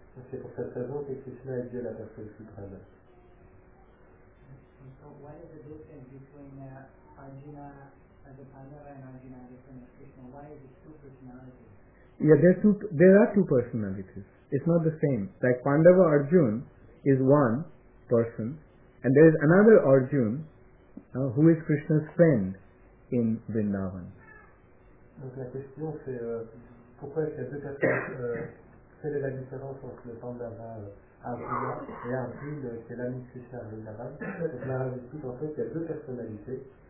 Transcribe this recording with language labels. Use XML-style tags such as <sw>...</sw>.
<fr>C'est pour cette raison que Krishna est Dieu la Personne Suprême.</fr> <en>So what is the difference between Arjuna as a Pandava and Arjuna different as Krishna? Why is it two personalities? Yeah, there are two personalities. It's not the same. Like Pandava Arjuna is one person, and there is another Arjuna who is Krishna's friend in Vrindavan.</en> <fr>Donc la question c'est pourquoi est-ce qu'il y a deux personnes, quelle est la différence entre le Pandava Arjuna et Arjuna qui est l'ami de Krishna Vrindavan. Donc là, en fait, il y a deux personnalités.</fr>